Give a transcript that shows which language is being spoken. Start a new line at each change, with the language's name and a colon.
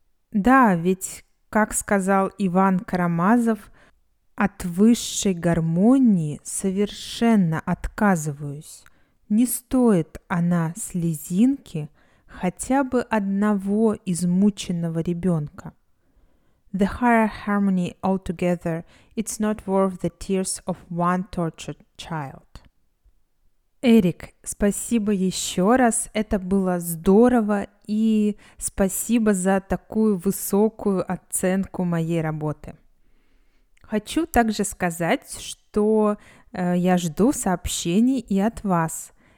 Russian: Да, ведь, как сказал Иван Карамазов, от высшей гармонии совершенно отказываюсь. Не стоит она слезинки хотя бы одного измученного ребенка.
English: The higher harmony altogether, it's not worth the tears of one tortured child.
Russian: Эрик, спасибо еще раз, это было здорово, и спасибо за такую высокую оценку моей работы. Хочу также сказать, что я жду сообщений и от вас.